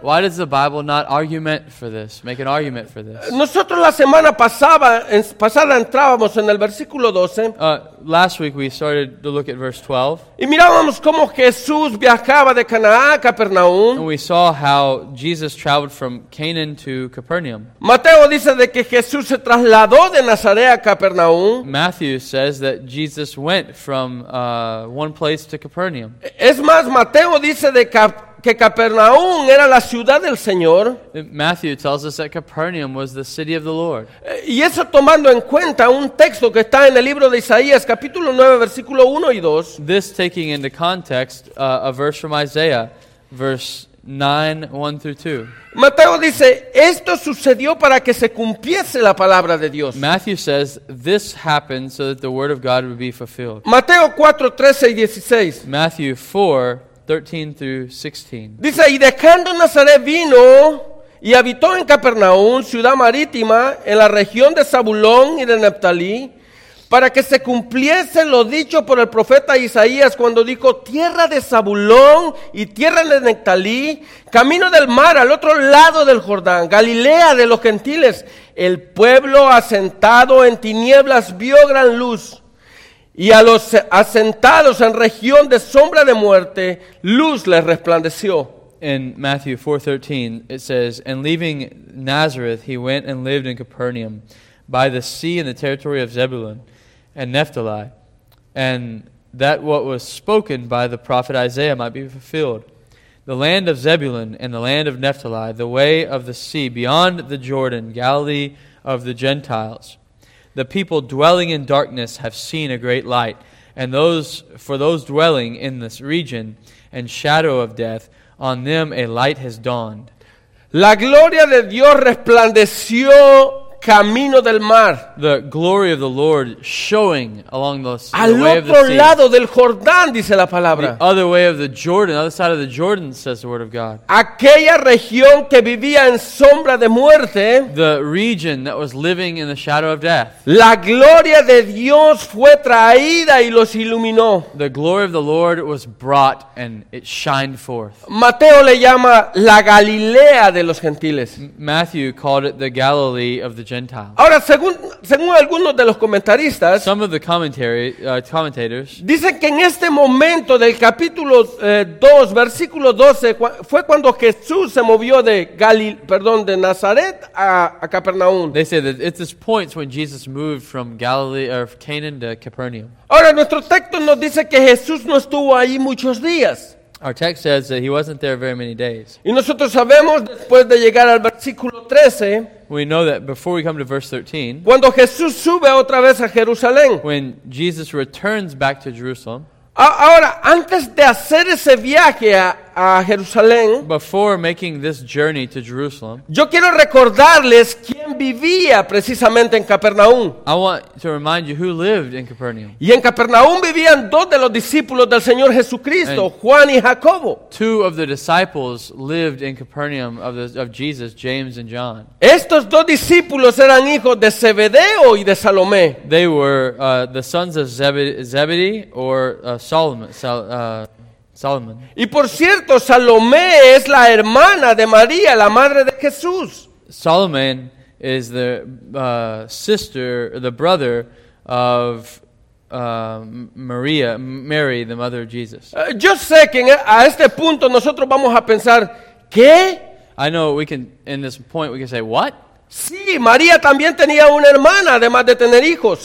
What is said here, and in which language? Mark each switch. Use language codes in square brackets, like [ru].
[en] Why does the Bible not argument for this? Make an argument for this. [es] Nosotros la semana pasada entrábamos en el versículo 12. [en] Last week we started to look at verse 12. [es] Y mirábamos cómo Jesús viajaba de Caná a Capernaum. [en] And we saw how Jesus traveled from Canaan to Capernaum. [es] Mateo dice de que Jesús se trasladó de Nazaret a Capernaum. [en] Matthew says that Jesus went from one place to Capernaum. [es] Es más, Mateo dice de que Capernaum era la ciudad del Señor. [en] Matthew tells us that Capernaum was the city of the Lord. [es] Y eso tomando en cuenta un texto que está en el libro de Isaías, capítulo 9, versículo 1 y 2. [en] This taking into context a verse from Isaiah, verse 9, 1 through 2. [es] Mateo dice, esto sucedió para que se cumpliese la palabra de Dios. [en] Matthew says, this happened so that the word of God would be fulfilled. [es] Mateo 4, 13 y 16. [en] Matthew 4, 13 through 16. [es] Dice, y dejando Nazaret vino y habitó en Capernaum, ciudad marítima, en la región de Zabulón y de Neftalí, Para que se cumpliese lo dicho por el profeta Isaías cuando dijo, tierra de Zabulón y tierra de Neftalí, camino del mar al otro lado del Jordán, Galilea de los gentiles, el pueblo asentado en tinieblas vio gran luz, y a los asentados en región de sombra de muerte, luz les resplandeció. [en] In Matthew 4:13 it says, and leaving Nazareth, he went and lived in Capernaum, by the sea in the territory of Zebulun and Naphtali, and that what was spoken by the prophet Isaiah might be fulfilled. The land of Zebulun and the land of Naphtali, the way of the sea beyond the Jordan, Galilee of the Gentiles. The people dwelling in darkness have seen a great light, and those dwelling in this region and shadow of death, on them a light has dawned. [es] La gloria de Dios resplandeció camino del mar. [en] The glory of the Lord showing along the way of the sea. [es] Al otro lado del Jordán, dice la palabra. [en] The other way of the Jordan, other side of the Jordan, says the word of God. [es] Aquella región que vivía en sombra de muerte. [en] The region that was living in the shadow of death. [es] La gloria de Dios fue traída y los iluminó. [en] The glory of the Lord was brought and it shined forth. [es] Mateo le llama la Galilea de los gentiles. [en] Matthew called it the Galilee of the Gentiles. [es] Ahora, según algunos de los comentaristas, [en] some of the commentators [es] dicen que en este momento del capítulo 2, versículo 12, fue cuando Jesús se movió de Nazaret a Capernaum. [en] They say that at this point when Jesus moved from Galilee or Canaan to Capernaum. [es] Ahora, nuestro texto nos dice que Jesús no estuvo ahí muchos días. [en] Our text says that he wasn't there very many days. [es] Y nosotros sabemos, después de llegar al versículo 13, [en] we know that before we come to verse 13, [es] cuando Jesús sube otra vez a Jerusalén, [en] when Jesus returns back to Jerusalem, [es] ahora, antes de hacer ese viaje a Jerusalén, [en] before making this journey to Jerusalem, [es] yo quiero recordarles quién vivía precisamente en Capernaum. [en] I want to remind you who lived in Capernaum. [es] Y en Capernaum vivían dos de los discípulos del Señor Jesucristo, and Juan y Jacobo. [en] Two of the disciples lived in Capernaum of Jesus, James and John. [es] Estos dos discípulos eran hijos de Zebedeo y de Salomé. [en] They were the sons of Zebedee or Solomon. Solomon. [es] Y por cierto, Salomé es la hermana de María, la madre de Jesús. [en] Solomon is the sister, the brother of Mary, the mother of Jesus. [es] Yo sé que a este punto nosotros vamos a pensar, ¿qué? [en] I know we can, in this point, we can say, what? [es] Sí, María también tenía una hermana, además de tener hijos.